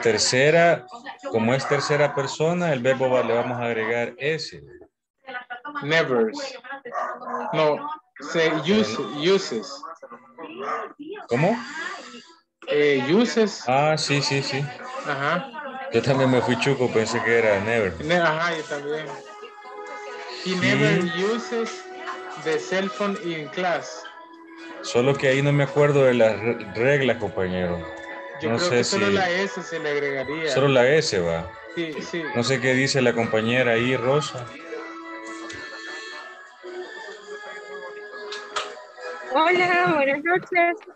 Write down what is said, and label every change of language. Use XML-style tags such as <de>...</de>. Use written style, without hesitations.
<es>tercera, como es tercera persona, el verbo le vamos a agregar S.</es> <en>Nevers. No, say uses.</en> <es>¿Cómo?</es> <en>Uses.</en> <es>Ah, sí. Ajá. Yo también me fui chuco, pensé que era never. Ajá, yo también.</es> <en>He never uses the cell phone in class.</en> <es>Solo que ahí no me acuerdo de las reglas, compañero. Yo no creo sé que solo si la S se le agregaría. Solo la S va. Sí, sí. No sé qué dice la compañera ahí, Rosa. Hola, buenas noches.</es>